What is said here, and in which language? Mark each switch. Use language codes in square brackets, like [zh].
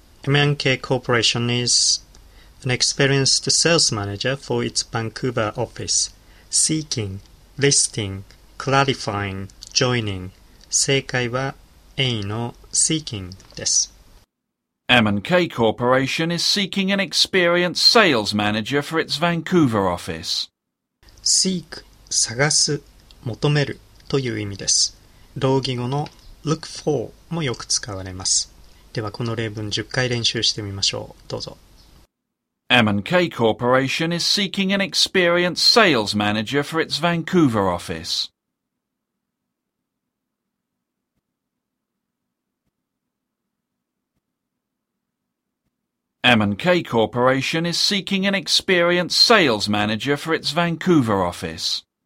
[en] MNK Corporation is an experienced sales manager for its Vancouver office, seeking, listing, clarifying, joining. [ja] 正解は A の seeking です。 [en] MNK Corporation is seeking an experienced sales manager for its Vancouver office. [ja] Seek, 探す、求めるという意味です。同義語の look for もよく使われます。ではこの例文10回練習してみましょう。どうぞ。 [en] M&K Corporation is seeking an experienced sales manager for its Vancouver office. M&K Corporation is seeking an experienced sales manager for its Vancouver office.